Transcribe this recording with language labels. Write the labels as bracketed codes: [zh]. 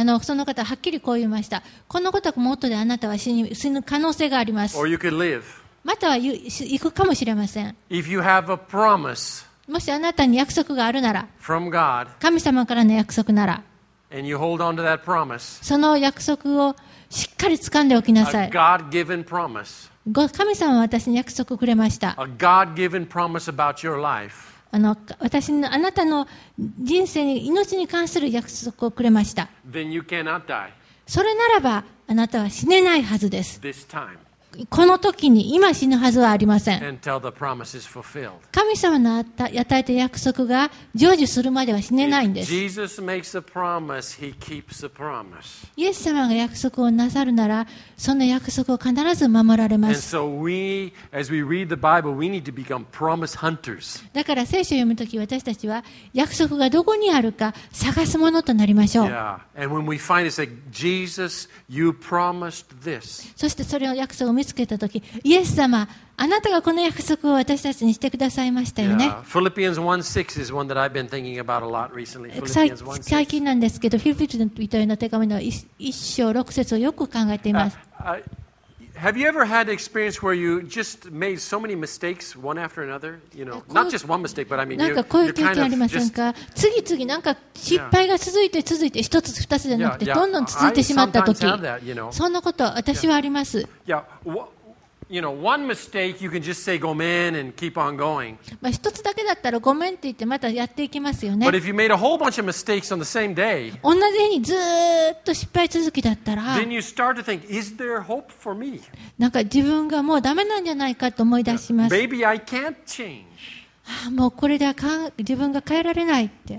[ja] その方はっきりこう言いました。このことはもとであなたは死ぬ可能性があります。 [en] Or you could live. [ja] または行くかもしれません。 [en] If you have a promise, [ja] もしあなたに約束があるなら、 [en] from God, [ja] 神様からの約束なら、 [en] and you hold on to that promise, [ja] その約束をしっかり掴んでおきなさい。 [en] A God-given promise. [ja] 神様は私に約束をくれました。 [en] A God-given promise about your life. [ja] 私のあなたの人生に命に関する約束をくれました。 [en] Then you cannot die. [ja] それならばあなたは死ねないはずです。 [en] This time. [ja] この時に今死ぬはずはありません。 [en] Until the promise is fulfilled. [ja] 神様の与えた約束が成就するまでは死ねないんです。 [en] Jesus makes a promise, he keeps a promise. [ja] イエス様が約束をなさるなら、その約束を必ず守られます。 [en] And so we, as we read the Bible, we need to become promise hunters. [ja] だから聖書を読むとき、私たちは約束がどこにあるか探すものとなりましょう。 [en] Yeah. And when we find it, say, Jesus, you promised this. [ja] そしてそれを約束を見つけたとき、イエス様、あなたがこの約束を私たちにしてくださいましたよね。 [en] フィリピン 1:6 is one that I've been thinking about a lot recently. [ja] 最近なんですけど、フィリピン人への手紙の1章6節をよく考えています。 [en] Have you ever had experience where you just made so many mistakes one after another? You know, not just one mistake, but I mean, you kind of just [ja] 次々なんか失敗が続いて一つ二つじゃなくてどんどん続いてしまった時、そんなこと私はあります。 [en] You know, one mistake, you can just say ごめん and keep on going. [ja] 一つだけだったらごめんって言ってまたやっていきますよね。 [en] But if you made a whole bunch of mistakes on the same day, [ja] 同じ日にずっと失敗続きだったら、 [en] then you start to think, is there hope for me? [ja] なんか自分がもうダメなんじゃないかと思い出します。 [en] Maybe I can't change. [ja] もうこれでは自分が変えられないって。